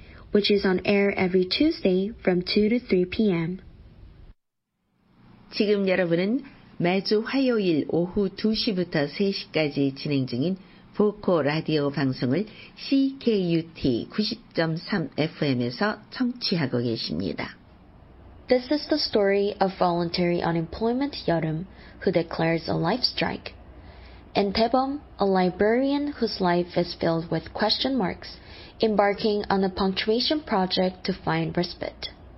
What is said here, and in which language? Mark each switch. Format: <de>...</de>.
<en>which is on air every Tuesday from 2 to 3 p.m.</en> <ko>지금 여러분은 매주 화요일 오후 2시부터 3시까지 진행 중인 보코 라디오 방송을 CKUT 90.3 FM에서 청취하고 계십니다.</ko> <en>This is the story of voluntary unemployment 여름 who declares a life strike. And 대범, a librarian whose life is filled with question marks, embarking on a punctuation project to find respite.</en>